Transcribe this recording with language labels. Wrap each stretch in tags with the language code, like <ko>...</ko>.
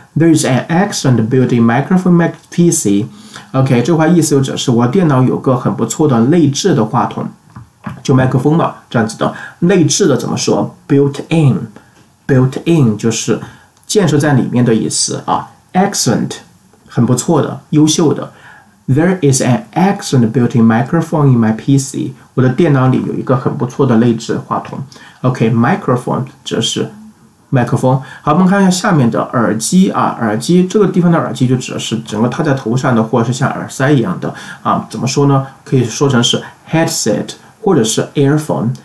<en>There is an excellent built-in microphone Mac PC.</en> <zh>OK， 这话意思就指是我电脑有个很不错的内置的话筒，就麦克风嘛，这样子的。内置的怎么说 ？Built-in 就是建设在里面的意思啊。 Excellent， 很不错的，优秀的。</zh> <en>There is an excellent built-in microphone in my PC.</en> <zh>我的电脑里有一个很不错的内置话筒。 OK， microphone 指的是麦克风。好，我们看一下下面的耳机啊。耳机这个地方的耳机就指的是整个套在头上的，或者是像耳塞一样的啊。怎么说呢，可以说成是 headset 或者是 earphone。</zh>